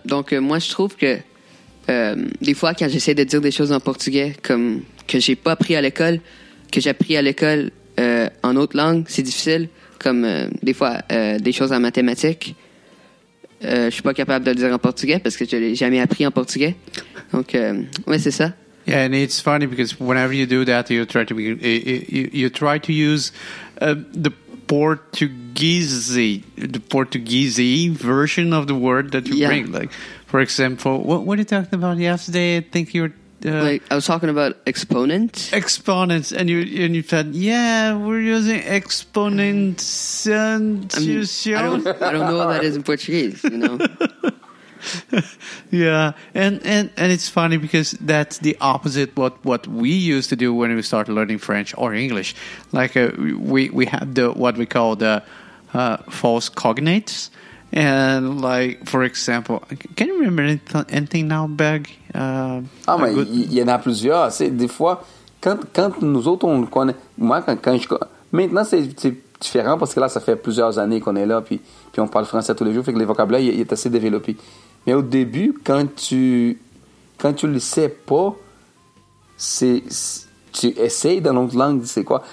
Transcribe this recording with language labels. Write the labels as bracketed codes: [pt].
[fr] Donc moi, je trouve que des fois, quand j'essaie de dire des choses en portugais comme que j'ai pas appris à l'école, que j'ai appris à l'école en autre langue, c'est difficile. Comme des fois, des choses en mathématiques. Je suis pas capable de le dire en portugais parce que je l'ai jamais appris en portugais. Donc, ouais, c'est ça. [en] Yeah, and it's funny because whenever you do that, you try to use the Portuguese version of the word that you bring. Like, for example, what are you talking about yesterday? I think you're. I was talking about exponents. Exponents, and you said, yeah, we're using exponents. I don't know what that is in Portuguese, you know. Yeah, and it's funny because that's the opposite what we used to do when we started learning French or English. Like we had the what we call the false cognates, and like for example, can you remember anything now, Beg? [fr] Mais il y en a plusieurs. Des fois, quand nous autres on connaît, moi quand je maintenant c'est différent parce que là ça fait plusieurs années qu'on est là puis on parle français tous les jours, fait que le vocabulaire il est assez développé. Mais au début, quand tu le sais pas, c'est tu essayes dans l'autre langue, c'est quoi?